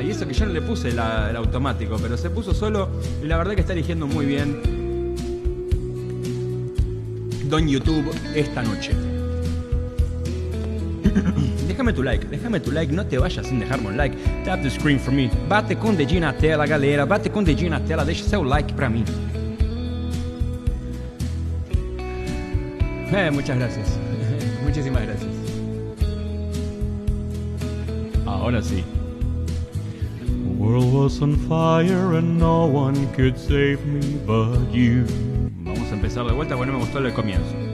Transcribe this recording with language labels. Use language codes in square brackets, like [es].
[es] Y eso que yo no le puse el automático, pero se puso solo. Y la verdad que está eligiendo muy bien Don YouTube esta noche. Déjame tu like, no te vayas sin dejarme un like. [en] Tap the screen for me. [pt] Bate con dedinho na tela, galera. Bate com dedinho na tela, deixa seu like pra mim. [es] Muchas gracias. Muchísimas gracias. Ahora sí. [en] The world was on fire and no one could save me but you. [es] Vamos a empezar de vuelta porque no me gustó el comienzo.